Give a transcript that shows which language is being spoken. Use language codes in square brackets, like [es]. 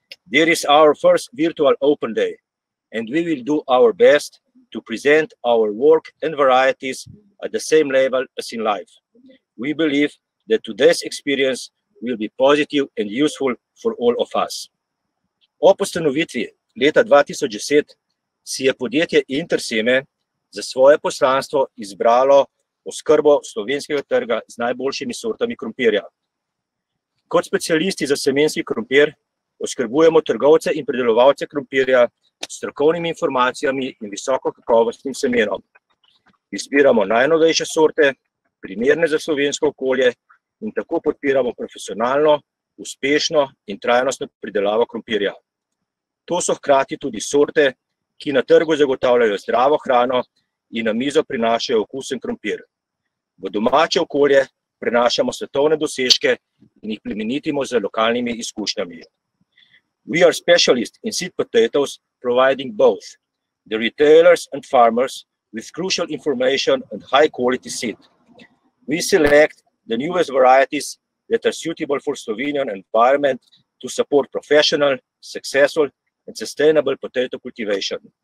[en] This is our first virtual open day, and we will do our best to present our work and varieties at the same level as in life. We believe that today's experience will be positive and useful for all of us. [sl] Ob ustanovitvi leta 2010 si je podjetje Interseme za svoje poslanstvo izbralo oskrbo slovenskega trga z najboljšimi sortami krompirja. Kot specialisti za semenski krompir oskrbujemo trgovce in predelovalce krompirja s strokovnimi informacijami in visoko kakovostnim semenom. Izbiramo najnovejše sorte, primerne za slovensko okolje in tako podpiramo profesionalno, uspešno in trajnostno pridelavo krompirja. To so hkrati tudi sorte, ki na trgu zagotavljajo zdravo hrano in na mizo prinašajo okusen krompir. V domače okolje prenašamo svetovne dosežke in jih plemenitimo z lokalnimi izkušnjami. [en] We are specialists in seed potatoes, providing both the retailers and farmers with crucial information and high quality seed. We select the newest varieties that are suitable for Slovenian environment to support professional, successful and sustainable potato cultivation.